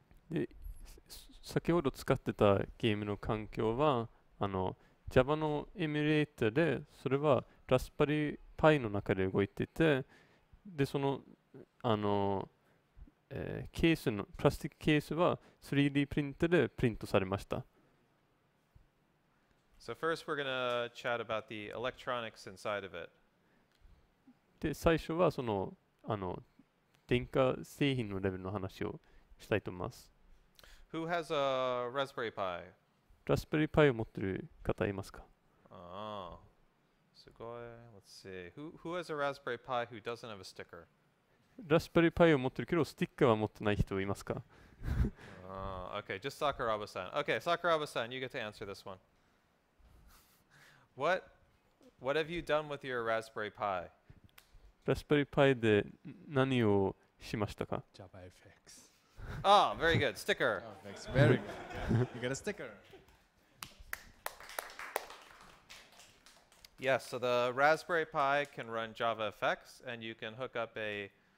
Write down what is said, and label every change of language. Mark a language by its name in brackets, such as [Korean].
[Japanese] で、先ほど使ってたゲームの環境は、あの Java のエミュレーターで、それは Raspberry Pi の中で動いてて、で、その、あの、ケースのプラスチックケースは 3D プリントでプリントされました。 [English] So first we're gonna chat about the electronics inside of it. [Japanese] で最初はそのあの電化製品のレベルの話をしたいと思います。 [English] Who has a Raspberry Pi? [Japanese] Raspberry Pi を持ってる方いますか？ああ、すごい。 [English] Let's see. Who has a Raspberry Pi who doesn't have a sticker? [Japanese] ラスベリーパイを持ってるけど、スティッカーは持ってない人いますか？ [English] Okay, just Sakuraba-san. Okay, Sakuraba-san, you get to answer this one. What have you done with your Raspberry Pi? [Japanese] ラスベリーパイで何をしましたか？ [English] Java FX. Oh, very good. Sticker. Oh, thanks. Very good. Yeah. You get a sticker. Yes, so the Raspberry Pi can run Java FX, and you can hook up a...